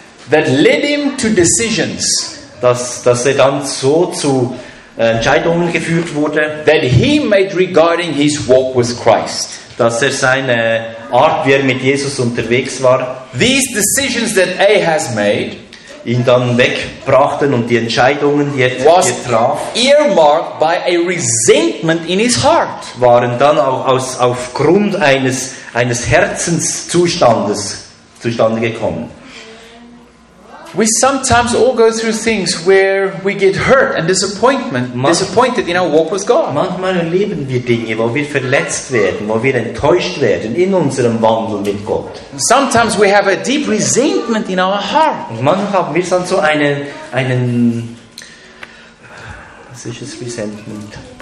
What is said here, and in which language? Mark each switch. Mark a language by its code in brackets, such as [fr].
[en] That led him to decisions. [de] Dass er dann so zu Entscheidungen geführt wurde, [en] that he made regarding his walk with Christ, [de] dass er seine Art, wie er mit Jesus unterwegs war, [en] these decisions that Ahaz made, [de] ihn dann wegbrachten und die Entscheidungen, die er traf, [en] earmarked by a resentment in his heart, [de] waren dann auch aufgrund eines Herzenszustandes zustande gekommen. [en] We sometimes all go through things where we get hurt and disappointed in our walk with God. [de] Manchmal erleben wir Dinge, wo wir verletzt werden, wo wir enttäuscht werden in unserem Wandel mit Gott. [en] Sometimes we have a deep resentment in our heart. [de] Und manchmal haben wir dann so einen was ist das Resentment?